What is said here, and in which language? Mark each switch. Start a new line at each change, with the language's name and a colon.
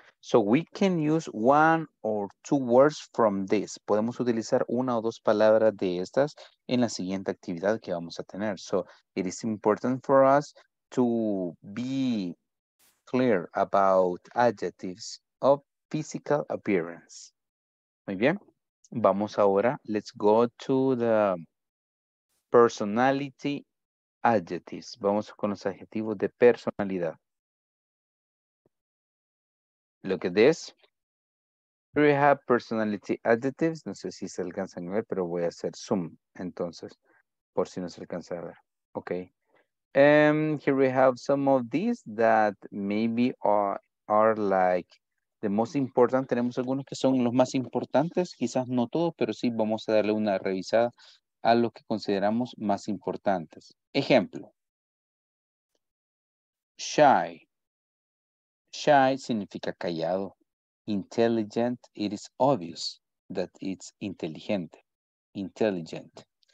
English: So we can use one or two words from this.
Spanish: Podemos utilizar una o dos palabras de estas en la siguiente actividad que vamos a tener.
English: So it is important for us to be clear about adjectives of physical appearance.
Spanish: Muy bien. Vamos ahora.
English: Let's go to the personality adjectives.
Spanish: Vamos con los adjetivos de personalidad.
English: Look at this. Here we have personality adjectives.
Spanish: No sé si se alcanzan a ver, pero voy a hacer zoom. Entonces, por si no se alcanza a ver. Okay.
English: Here we have some of these that maybe are like the most important.
Spanish: Tenemos algunos que son los más importantes. Quizás no todos, pero sí vamos a darle una revisada a los que consideramos más importantes. Ejemplo. Shy. Shy significa callado.
English: Intelligent, it is obvious that it's inteligente. Intelligent.